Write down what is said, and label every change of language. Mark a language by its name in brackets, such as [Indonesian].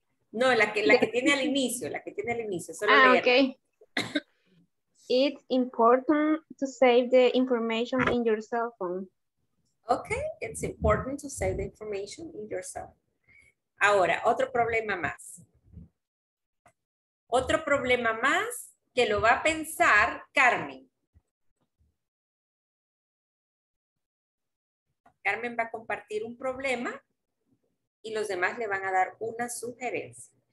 [Spanish] No, la que tiene al inicio, solo leer. [English] Okay. It's important to save the information in your cell phone. Okay, it's important to save the information in your cell phone. [Spanish] Ahora, otro problema más. Otro problema más que lo va a pensar Carmen. Carmen va a compartir un problema y los demás le van a dar una sugerencia.